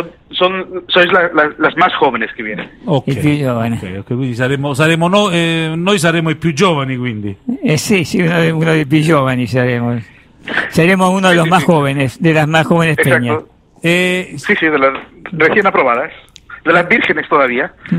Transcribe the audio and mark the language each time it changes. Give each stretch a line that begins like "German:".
Spanish: Sois las más jóvenes que vienen.
Italian: Ok. Più giovane. Okay. Quindi saremo no, noi saremo i più giovani, quindi. Sì, uno dei più giovani saremo. Saremo
Spanish: uno de los más jóvenes, de las más jóvenes peñas. Sí, de las recién aprobadas. De las vírgenes todavía.